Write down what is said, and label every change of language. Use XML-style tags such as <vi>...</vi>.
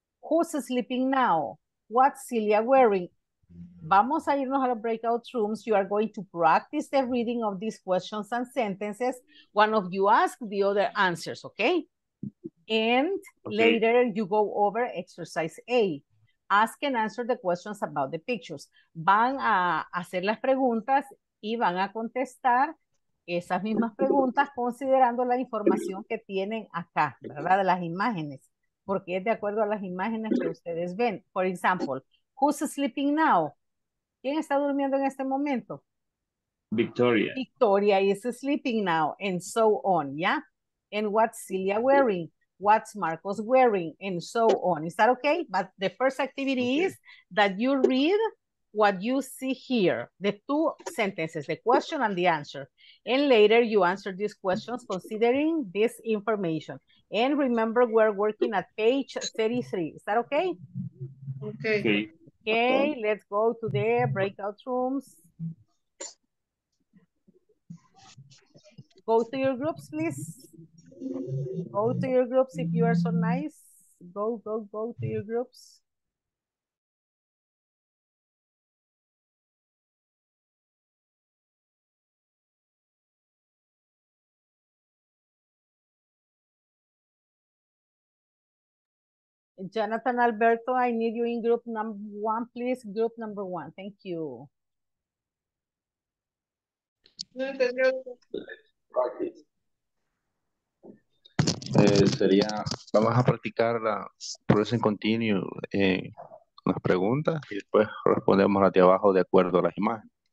<en>Who's sleeping now? What's Celia wearing? Vamos a irnos a the breakout rooms. You are going to practice the reading of these questions and sentences. One of you ask, the other answers, okay? And later you go over exercise A. Ask and answer the questions about the pictures.</en> <es>Van a hacer las preguntas y van a contestar esas mismas preguntas, considerando la información que tienen acá, ¿verdad? De las imágenes, porque es de acuerdo a las imágenes que ustedes ven. For example, who's sleeping now? ¿Quién está durmiendo en este momento?</es> <en>Victoria. Victoria is sleeping now, and so on, yeah? And what's Celia wearing? What's Marcos wearing? And so on. Is that okay? But the first activity okay. is that you read what you see here, the two sentences, the question and the answer. And later you answer these questions considering this information. And remember, we're working at page 33. Is that okay? Okay. Okay, let's go to the breakout rooms. Go to your groups, please. Go to your groups if you are so nice. Go, go, go to your groups. Jonathan Alberto, I need you in group number one, please. Group number one. Thank you.</en> <es>Sería, vamos a practicar la present continue en las preguntas y después respondemos las de abajo de acuerdo a las imágenes.</es>